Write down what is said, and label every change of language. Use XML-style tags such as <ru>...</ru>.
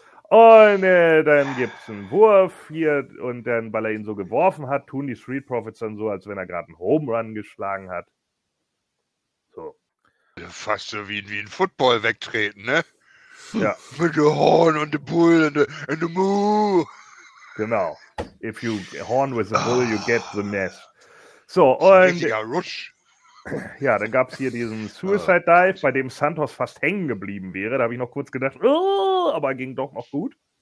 <de>Und dann gibt es einen Wurf hier und dann, weil er ihn so geworfen hat, tun die Street Profits dann so, als wenn er gerade einen Home Run geschlagen hat. So. Fast so wie ein Football wegtreten, ne? Ja. Mit dem Horn und dem Bull und dem Moo. Genau.</de> <en>If you horn with a bull, you get the mess.</en> <de>So, und ein richtiger Rush. Ja, dann gab es hier diesen Suicide Dive, bei dem Santos fast hängen geblieben wäre. Da habe ich noch kurz gedacht, aber ging doch noch gut.</de>